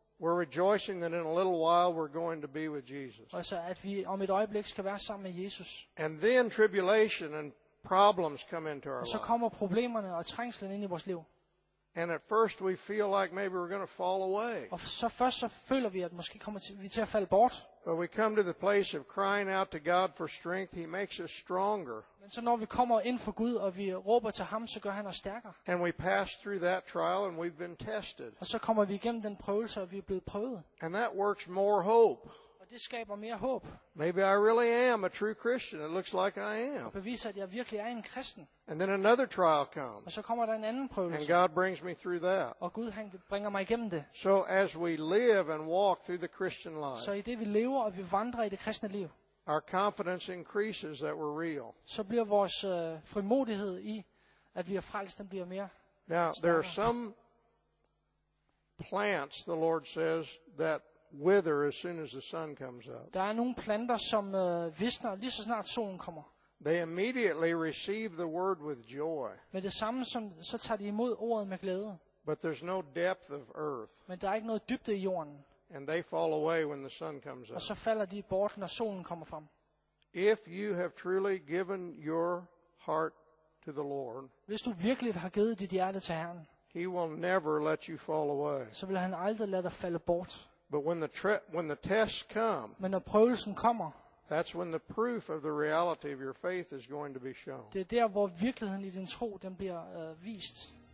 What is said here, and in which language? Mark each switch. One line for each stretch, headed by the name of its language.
English: We're rejoicing that in a little while we're going to be with Jesus.
Danish: Altså, at vi om et øjeblik skal være sammen med Jesus.
English: And then tribulation and problems come into our life.
Danish: Og så kommer problemerne og trængslen ind i vores liv.
English: And at first we feel like maybe we're going to fall away.
Danish: Og så først så føler vi, at måske kommer vi til at falde bort.
English: But we come to the place of crying out to God for strength. He makes us stronger.
Danish: Men så når vi kommer ind for Gud og vi råber til ham, så gør han os stærkere.
English: And we pass through that trial and we've been tested.
Danish: Og så kommer vi igennem den prøvelse og vi er blevet prøvet.
English: And that works more hope.
Danish: Og det skaber mere håb.
English: Maybe I really am a true Christian. It looks like I am.
Danish: Og beviser, at jeg virkelig er en kristen.
English: And then another trial comes.
Danish: Og så kommer der en anden prøvelse.
English: And God brings me through that.
Danish: Og Gud han bringer mig igennem det.
English: So as we live and walk through the Christian life.
Danish: Så i det vi lever og vi vandrer i det kristne liv.
English: Our confidence increases that we're real.
Danish: Så bliver vores frimodighed i at vi er frelst, den bliver mere.
English: Now there are some plants the Lord says that wither as soon as the sun comes up.
Danish: Der er nogle planter, som visner lige så snart solen kommer.
English: They immediately receive the word with joy.
Danish: Men det samme som så tager de imod ordet med glæde.
English: But there's no depth of earth.
Danish: Men der er ikke noget dybde i jorden.
English: And they fall away when the sun comes up.
Danish: Og så falder de bort, når solen kommer frem.
English: If you have truly given your heart to the Lord.
Danish: Hvis du virkelig har givet dit hjerte til Herren.
English: He will never let you fall away.
Danish: Så vil han aldrig lade dig falde bort.
English: But when the tests come,
Danish: men når prøvelsen kommer,
English: that's when the proof of the reality of your faith is going to be shown.
Danish: Det er der, hvor virkeligheden i din tro den bliver vist.